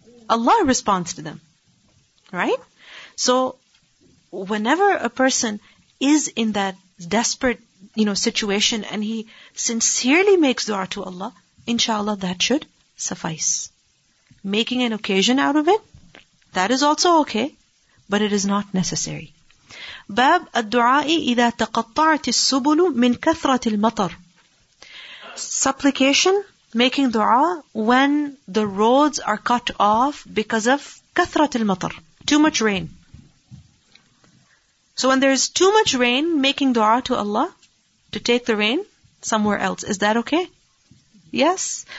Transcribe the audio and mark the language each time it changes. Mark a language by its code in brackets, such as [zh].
[en] Allah responds to them. Right? So, whenever a person is in that desperate, situation and he sincerely makes dua to Allah, inshallah that should suffice. Making an occasion out of it, that is also okay, but it is not necessary. [ar] باب الدعاء إذا تقطعت السبل من كثرة المطر. [en] Supplication. Making dua when the roads are cut off because of kathrat al-matar, too much rain. So when there is too much rain, making dua to Allah to take the rain somewhere else, is that okay? Yes.